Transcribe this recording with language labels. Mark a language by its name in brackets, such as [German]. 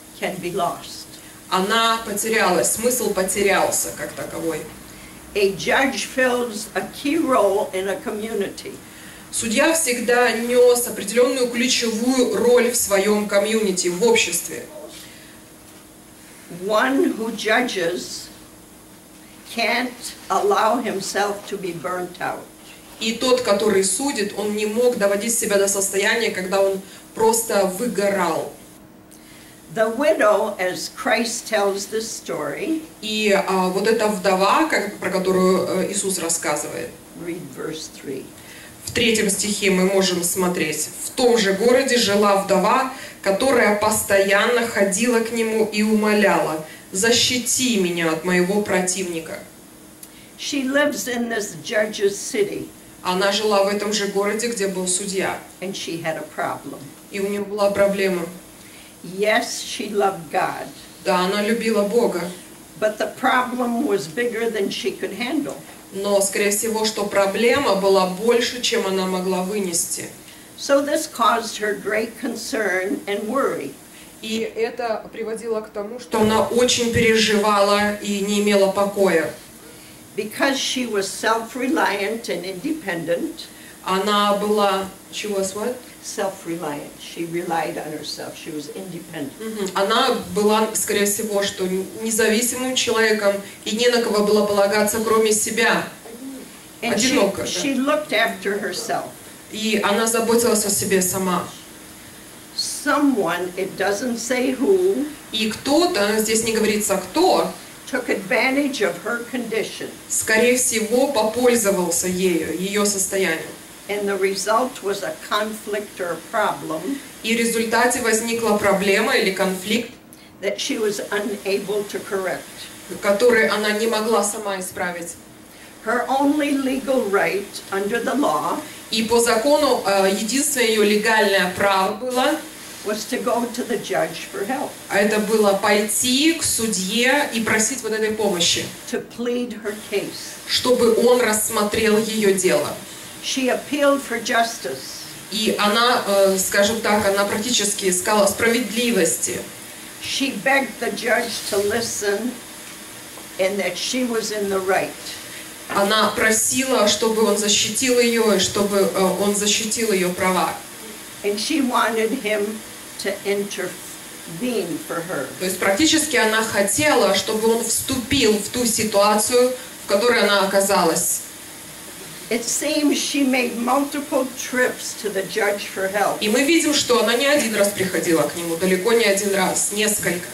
[English] can be lost. [Russian] Она потерялась, смысл потерялся как таковой. [English] A judge fills a key role in a community. [Russian] Судья всегда нес определенную ключевую роль в своем комьюнити, в обществе. [English] One who judges can't allow himself to be burnt out. [Russian] И тот, который судит, он не мог доводить себя до состояния, когда он просто выгорал. [English] The widow, as Christ tells this story, [Russian] и вот эта вдова, как, про которую Иисус рассказывает, [English] read verse 3. [Russian] В третьем стихе мы можем смотреть. «В том же городе жила вдова, которая постоянно ходила к нему и умоляла: „Защити меня от моего противника“». [English] She lives in this judge's city. [Russian] Она жила в этом же городе, где был судья. [English] And she had a problem. [Russian] И у нее была проблема. [English] Yes, she loved God. [Russian] Да, она любила Бога. [English] But the problem was bigger than she could handle. [Russian] Но, скорее всего, что проблема была больше, чем она могла вынести. [English] So this caused her great concern and worry. [Russian] И это приводило к тому, что она очень переживала и не имела покоя. [English] Because she was self-reliant and independent. [Russian] Она была, [English] she was what? Self-reliant. She relied on herself. She was independent. [Russian] Она была, скорее всего, что независимым человеком и не на кого было полагаться, кроме себя. Одинока. [English] She looked after herself. [Russian] И она заботилась о себе сама. [English] Someone, it doesn't say who. [Russian] И кто-то, здесь не говорится кто. [English] Took advantage of her condition. [Russian] Скорее всего, попользовался ею, ее состоянием. [English] And the result was a conflict or a problem. [Russian] И в результате возникла проблема или конфликт, [English] that she was unable to correct. [Russian] Который она не могла сама исправить. [English] Her only legal right under the law. [Russian] И по закону единственное ее легальное право было. [English] Was to go to the judge for help. [Russian] Это было пойти к судье и просить вот этой помощи. [English] To plead her case. [Russian] Чтобы он рассмотрел ее дело. [English] She appealed for justice. [Russian] И она, скажем так, она практически искала справедливости. [English] She begged the judge to listen, and that she was in the right. [Russian] Она просила, чтобы он защитил ее, и чтобы он защитил ее права. [English] And she wanted him to intervene for her. [Russian] То есть практически она хотела, чтобы он вступил в ту ситуацию, в которой она оказалась. [English] It seems she made multiple trips to the judge for help. [Russian] И мы видим, что она не один раз приходила к нему, далеко не один раз, несколько.